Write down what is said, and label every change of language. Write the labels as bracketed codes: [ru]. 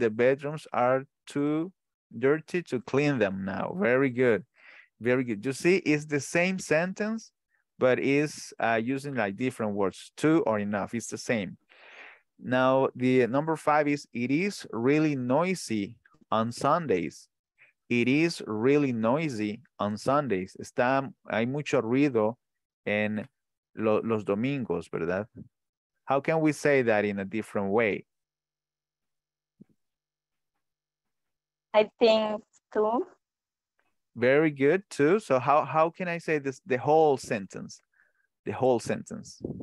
[en] The bedrooms are too dirty to clean them now. Very good. Very good. You see, it's the same sentence, but it's using like different words. Too or enough. It's the same. Now, the number five is, it is really noisy on Sundays. It is really noisy on Sundays. [es] Está, hay mucho ruido en los domingos, ¿verdad? [en] How can we say that in a different way? I think too. Very good, too. So how can I say this, the whole sentence? The whole sentence.